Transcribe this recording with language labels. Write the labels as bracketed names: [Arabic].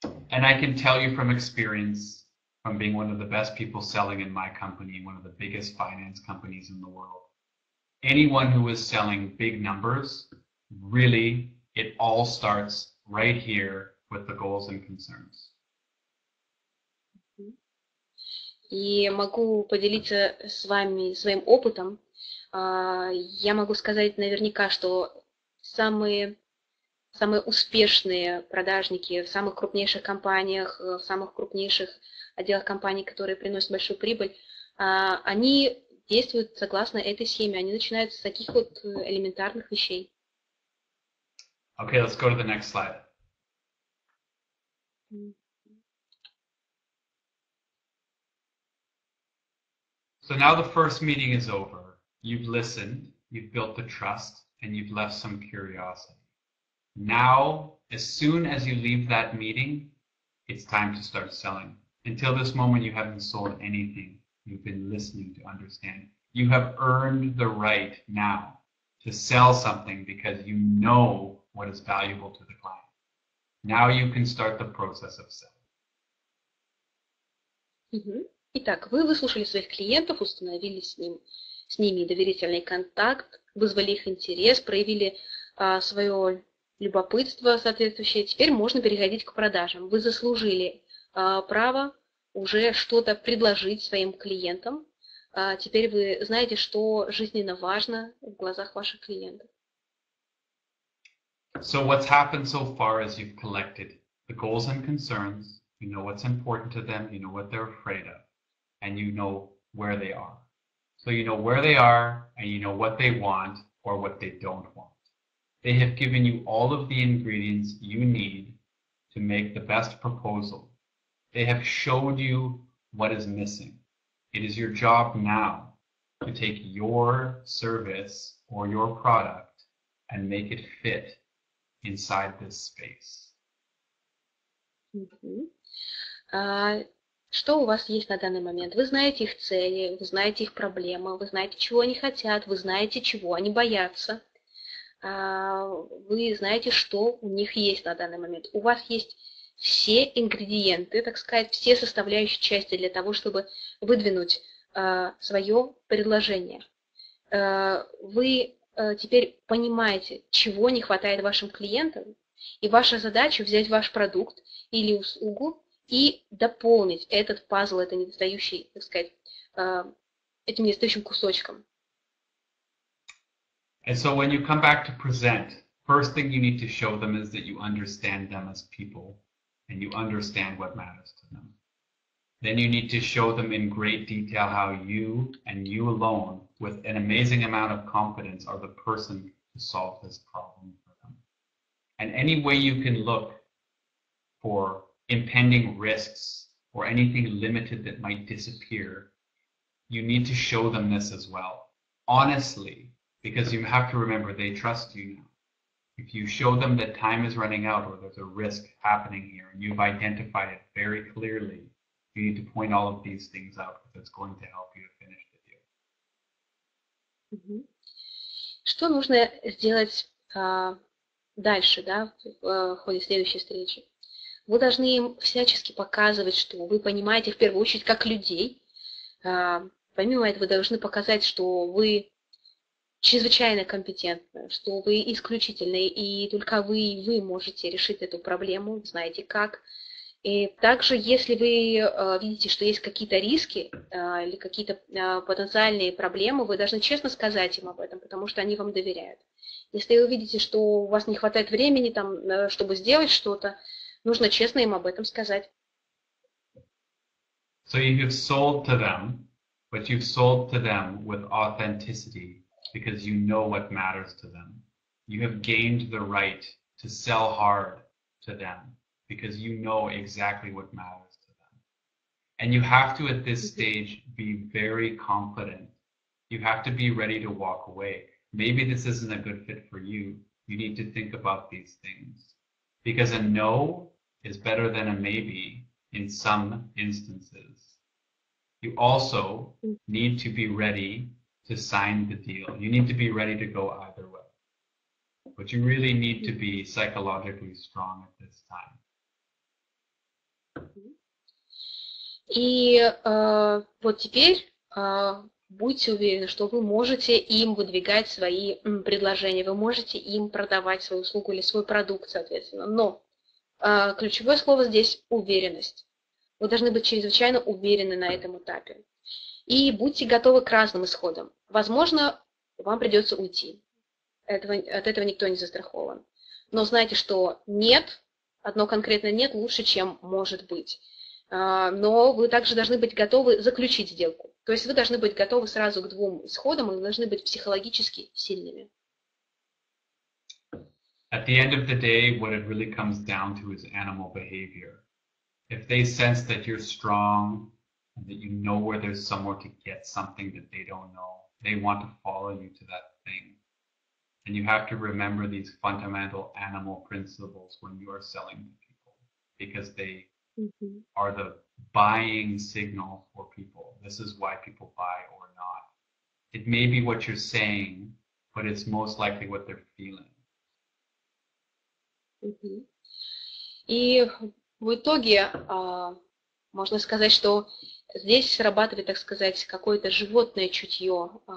[English] And I can tell you from experience, from being one of the best people selling in my company, one of the biggest finance companies in the world. Anyone who is selling big numbers, really, it all starts right here with the goals and concerns. [Russian] И могу поделиться с вами своим опытом. Я могу сказать наверняка, что самые успешные продажники в самых крупнейших компаниях, в самых крупнейших отделах компаний, которые приносят большую прибыль, они действуют согласно этой схеме. Они начинают с таких вот элементарных вещей. [English] Okay, let's go to the next slide. So now the first meeting is over. You've listened, you've built the trust, and you've left some curiosity. Now, as soon as you leave that meeting, it's time to start selling. Until this moment, you haven't sold anything. You've been listening to understand. You have earned the right now to sell something because you know what is valuable to the client. Now you can start the process of selling. [Russian] Итак, вы выслушали своих клиентов, установили с ними доверительный контакт, вызвали их интерес, проявили свое любопытство соответствующее. Теперь можно переходить к продажам. Вы заслужили право уже что-то предложить своим клиентам. Теперь вы знаете, что жизненно важно в глазах ваших клиентов. [English] So what's happened so far is you've collected the goals and concerns, you know what's important to them, you know what they're afraid of, and you know where they are. So you know where they are, and you know what they want or what they don't want. They have given you all of the ingredients you need to make the best proposal. They have showed you what is missing. It is your job now to take your service or your product and make it fit inside this space. [Russian] Что у вас есть на данный момент? Вы знаете их цели, вы знаете их проблемы, вы знаете, чего они хотят, вы знаете, чего они боятся. Вы знаете, что у них есть на данный момент. У вас есть все ингредиенты, так сказать, все составляющие части для того, чтобы выдвинуть свое предложение. Вы теперь понимаете, чего не хватает вашим клиентам, и ваша задача взять ваш продукт или услугу и дополнить этот пазл, этот недостающий, так сказать, этим недостающим кусочком. [English] And so when you come back to present, first thing you need to show them is that you understand them as people and you understand what matters to them. Then you need to show them in great detail how you and you alone, with an amazing amount of confidence, are the person to solve this problem for them. And any way you can look for impending risks or anything limited that might disappear, you need to show them this as well, honestly, because you have to remember they trust you now. If you show them that time is running out or there's a risk happening here and you've identified it very clearly, you need to point all of these things out if it's going to help you to finish the deal. [Russian] Что нужно сделать дальше, да, в ходе следующей встречи? Вы должны им всячески показывать, что вы понимаете в первую очередь как людей. Помимо этого, вы должны показать, что вы чрезвычайно компетентны, что вы исключительны, и только вы можете решить эту проблему, знаете как. И также, если вы видите, что есть какие-то риски или какие-то потенциальные проблемы, вы должны честно сказать им об этом, потому что они вам доверяют. Если вы видите, что у вас не хватает времени, там, чтобы сделать что-то, нужно честно им об этом сказать. [English] So you have sold to them, but you've sold to them with authenticity because you know what matters to them. You have gained the right to sell hard to them because you know exactly what matters to them. And you have to, at this stage, be very confident. You have to be ready to walk away. Maybe this isn't a good fit for you. You need to think about these things because a no is better than a maybe. In some instances, you also need to be ready to sign the deal. You need to be ready to go either way. But you really need to be psychologically strong at this time. [Russian] И вот теперь будьте уверены, что вы можете им выдвигать свои предложения, вы можете им продавать свою услугу или свой продукт, соответственно. Но ключевое слово здесь – уверенность. Вы должны быть чрезвычайно уверены на этом этапе. И будьте готовы к разным исходам. Возможно, вам придется уйти. От этого никто не застрахован. Но знайте, что нет, одно конкретное нет, лучше, чем может быть. Но вы также должны быть готовы заключить сделку. То есть вы должны быть готовы сразу к двум исходам, и вы должны быть психологически сильными. [English] At the end of the day, what it really comes down to is animal behavior. If they sense that you're strong and that you know where there's somewhere to get something that they don't know, they want to follow you to that thing. And you have to remember these fundamental animal principles when you are selling to people because they are the buying signal for people. This is why people buy or not. It may be what you're saying, but it's most likely what they're feeling. [Russian] В итоге можно сказать, что здесь срабатывает, так сказать, какое-то животное чутье.